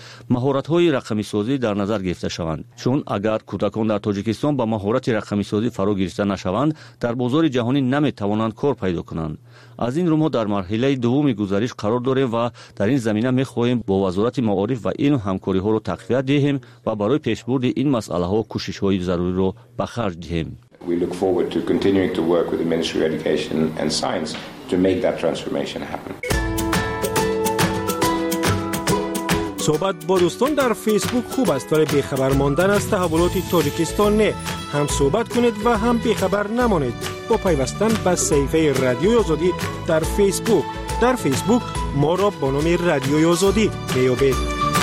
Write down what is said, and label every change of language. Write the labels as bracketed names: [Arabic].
[Persian] مهارت های رقمی سازی در نظر گرفته شوند، چون اگر کودکان در تاجیکستان با مهارت رقمی سازی فرا گرفته نشوند، در بازار جهانی نمیتوانند کار پیدا کنند. از این رو ما در مرحله دوم گزارش قرار داریم و در این زمینه می خواهیم با وزارت معارف و این همکاری ها را تقویت دهیم و برای پیشبرد این مسئله ها کوشش های ضروری را به خرج دهیم. [English] We look forward to continuing to work with the Ministry of Education and Science to make that transformation happen. [Persian] صحبت با دوستان در فیسبوک خوب است، ولی بی‌خبر ماندن از تحولات تاجیکستان نه. هم صحبت کنید و هم بی‌خبر نمانید با پیوستن به صفحه رادیو آزادی در فیسبوک. در فیسبوک ما را با نام رادیو آزادی می‌یابید.